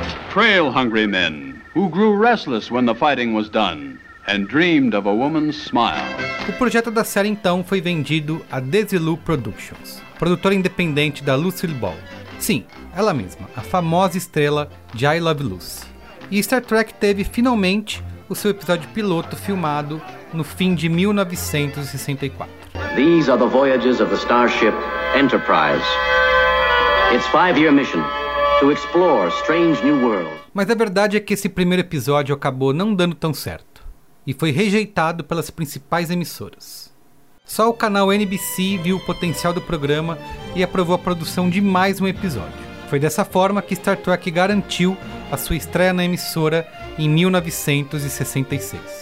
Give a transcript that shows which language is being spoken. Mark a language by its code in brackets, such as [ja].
[en] Trail-hungry men who grew restless when the fighting was done and dreamed of a woman's smile. [pt] O projeto da série, então, foi vendido à Desilu Productions, produtora independente da Lucille Ball. Sim, ela mesma, a famosa estrela de I Love Lucy. E Star Trek teve, finalmente, o seu episódio piloto filmado no fim de 1964. [en] These are the voyages of the starship Enterprise. Its five-year mission, to explore strange new worlds. [pt] Mas a verdade é que esse primeiro episódio acabou não dando tão certo e foi rejeitado pelas principais emissoras. Só o canal NBC viu o potencial do programa e aprovou a produção de mais um episódio. Foi dessa forma que Star Trek garantiu a sua estreia na emissora em 1966.